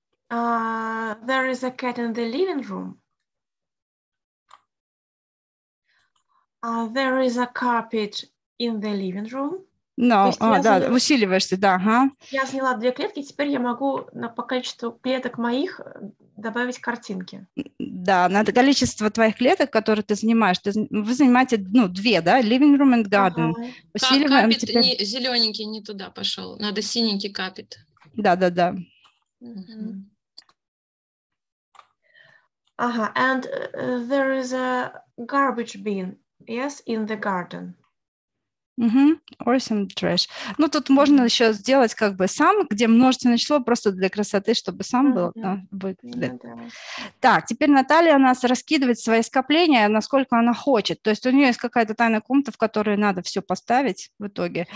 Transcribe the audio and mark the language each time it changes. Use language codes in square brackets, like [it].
[en] There is a cat in the living room. There is a carpet in the living room. [ru] No. Усиливаешься, да. Ага. Я сняла две клетки, теперь я могу по количеству клеток моих добавить картинки. Да, на количество твоих клеток, которые ты занимаешь, вы занимаете, ну, две, да, [en] living room and garden. [ru] Uh-huh. Усиливаем. Капит теперь... зелененький не туда пошел, надо синенький капит. Да. Uh-huh. [en] Ага, and there is a garbage bin, yes, in the garden. Угу, or some trash. [ru] Ну, тут можно еще сделать как бы сам, где множественное число, просто для красоты, чтобы сам был. Да, будет. Так, теперь Наталья у нас раскидывает свои скопления, насколько она хочет. То есть у нее есть какая-то тайная комната, в которую надо все поставить в итоге.